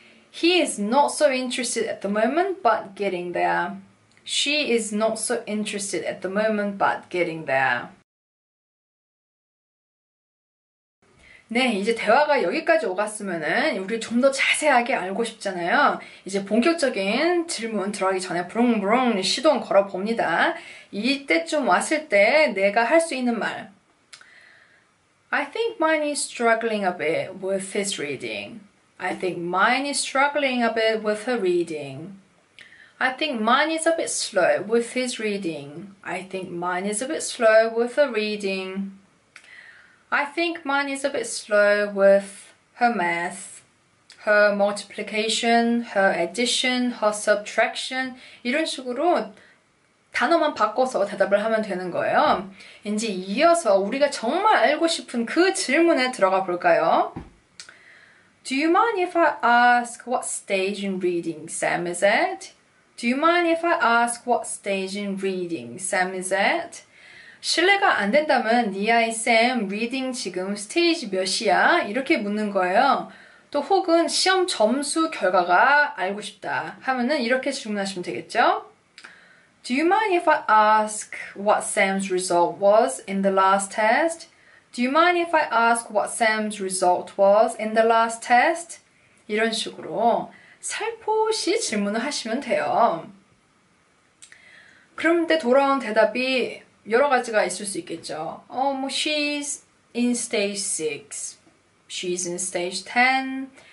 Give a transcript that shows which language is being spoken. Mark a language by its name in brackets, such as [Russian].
[English] He is not so interested at the moment, but getting there. She is not so interested at the moment, but getting there. [Korean] 네, 이제 대화가 여기까지 오갔으면은 우리 좀더 자세하게 알고 싶잖아요. 이제 본격적인 질문 들어가기 전에 부릉부릉 시동 걸어봅니다. 이때쯤 왔을 때 내가 할수 있는 말. [English] I think mine is struggling a bit with his reading. I think mine is struggling a bit with her reading. I think mine is a bit slow with his reading. I think mine is a bit slow with her reading. I think mine is a bit slow with her math, her multiplication, her addition, her subtraction. [Korean] 이런 식으로 단어만 바꿔서 대답을 하면 되는 거예요. 이제 이어서 우리가 정말 알고 싶은 그 질문에 들어가 볼까요? [English] Do you mind if I ask what stage in reading Sam is at? Do you mind if I ask what stage in reading Sam is at? [Korean] 실례가 안 된다면, 니 아이 쌤, 리딩 지금 스테이지 몇이야? 이렇게 묻는 거예요. 또 혹은 시험 점수 결과가 알고 싶다 하면은 이렇게 질문하시면 되겠죠? [English] Do you mind if I ask what Sam's result was in the last test? Do you mind if I ask what Sam's result was in the last test? [Korean] 이런 식으로 살포시 질문을 하시면 돼요. 그런데 돌아온 대답이 여러 가지가 있을 수 있겠죠. [English] 뭐 she's in stage 6. She's in stage 10.